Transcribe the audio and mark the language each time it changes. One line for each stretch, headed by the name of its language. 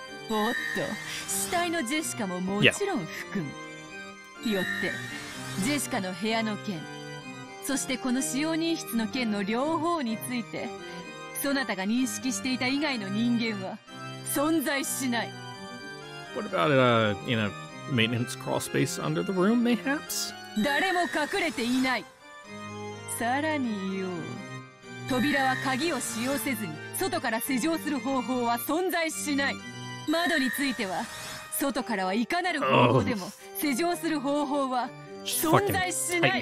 Japanese: おっと、死体のジェシカももちろん含む。
English: Yeah.
Japanese: よって、ジェシカの部屋の件、そしてこの使用人室の件の両方について、そなたが認識していた以外の人間は存在しない。
English: What about in a maintenance crawl space under the room, mayhaps?
Japanese: 誰も隠れていない。さらに言おう。扉は鍵を使用せずに、外から施錠する方法は存在しない。窓については外からはいかなる方法でも施錠する方法は存在しない。